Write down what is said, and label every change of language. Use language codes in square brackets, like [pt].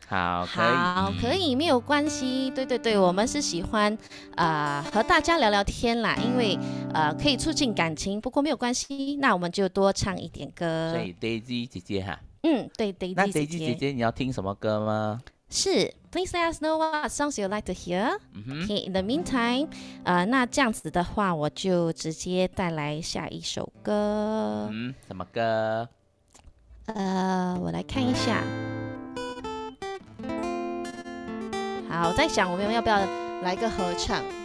[zh] 好，好，可 以，可以没有关系，对对对，我们是喜欢和大家聊聊天啦，因为可以促进感情，不过没有关系，那我们就多唱一点歌。所以 Daisy 姐姐哈，嗯，对 Daisy 姐姐，那 Daisy 姐 姐你要听什么歌吗？是 [en] ，Please let us know what songs you'd like to hear.、 Mm-hmm. Okay, in the meantime, [zh] 那这样子的话，我就直接带来下一首歌。嗯，什么歌？我来看一下。好，我在想我们要不要来个合唱？